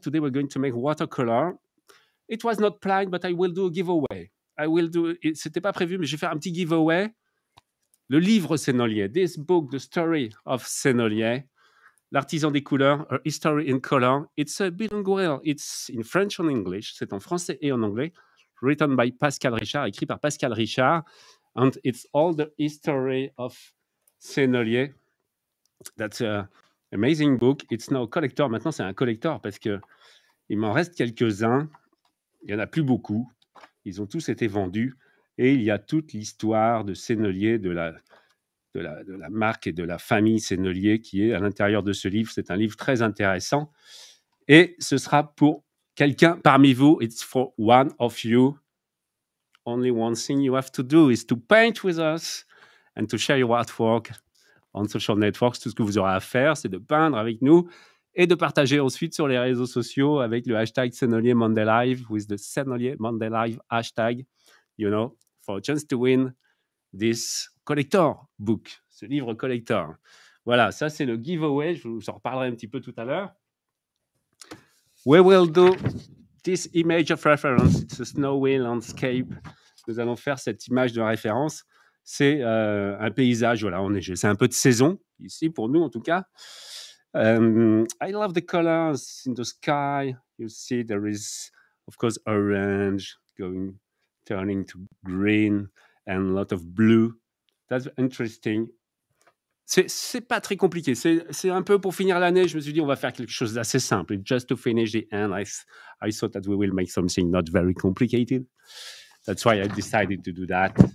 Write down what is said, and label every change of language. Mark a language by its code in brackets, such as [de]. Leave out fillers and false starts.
[en] Today, we're going to make watercolor. It was not planned, but I will do a giveaway. [fr] C'était pas prévu, mais je vais faire un petit giveaway. Le livre Sennelier. [en] This book, The Story of Sennelier. [fr] L'artisan des couleurs, [en] A History in Color. It's a bilingual. It's in French and English. [fr] C'est en français et en anglais. [en] Written by Pascal Richard, [fr] écrit par Pascal Richard. [en] And it's all the history of Sennelier. That's an amazing book. It's now a collector. [fr] Maintenant, c'est un collector parce qu'il m'en reste quelques-uns. il n'y en a plus beaucoup. Ils ont tous été vendus. Et il y a toute l'histoire de Sennelier, de la marque et de la famille Sennelier qui est à l'intérieur de ce livre. C'est un livre très intéressant. Et ce sera pour quelqu'un parmi vous. [en] It's for one of you. Only one thing you have to do is to paint with us and to share your artwork on social networks. [fr] Tout ce que vous aurez à faire, c'est de peindre avec nous et de partager ensuite sur les réseaux sociaux avec le hashtag Sennelier Monday Live [en] with the Sennelier Monday Live hashtag, you know, for a chance to win this collector book, [fr] ce livre collector. Voilà, ça c'est le giveaway. Je vous en reparlerai un petit peu tout à l'heure. [en] We will do this image of reference. It's a snowy landscape. [fr] Nous allons faire cette image de référence. C'est un paysage. Voilà, on est. C'est un peu de saison ici pour nous en tout cas. [en] I love the colors in the sky. You see, there is of course orange going, turning to green and a lot of blue. That's interesting. [fr] C'est pas très compliqué. C'est un peu pour finir l'année. Je me suis dit, on va faire quelque chose d'assez simple. [en] Just to finish the end, I thought that we will make something not very complicated. That's why I decided to do that.